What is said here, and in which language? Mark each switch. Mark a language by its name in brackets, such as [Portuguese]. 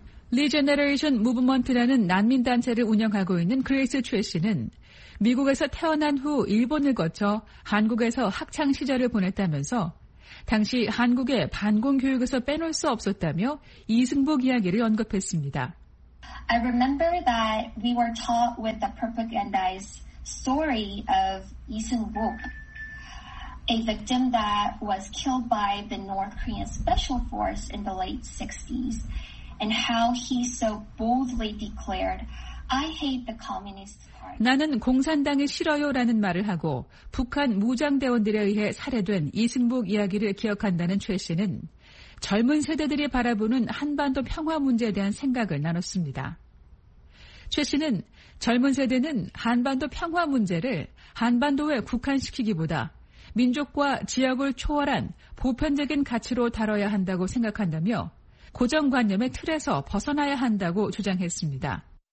[Korean] 리제너레이션 무브먼트라는 난민단체를 운영하고 있는 그레이스 최 씨는 미국에서 태어난 후 일본을 거쳐 한국에서 학창시절을 보냈다면서 당시 한국의 반공 교육에서 빼놓을 수 없었다며 이승복 이야기를 언급했습니다. [English] I remember that we were taught with the propagandized story of Lee Seung-bok, a victim that was killed by the North Korean Special Force in the late 60s, and how he so boldly declared, I hate the Communist Party. [Korean] 나는 공산당을 싫어요라는 말을 하고 북한 무장대원들에 의해 살해된 이승복 이야기를 기억한다는 최 씨는 젊은 세대들이 바라보는 한반도 평화 문제에 대한 생각을 나눴습니다. 최 씨는 젊은 세대는 한반도 평화 문제를 한반도에 국한시키기보다 민족과 지역을 초월한 보편적인 가치로 다뤄야 한다고 생각한다며 고정관념의 틀에서 벗어나야 한다고 주장했습니다.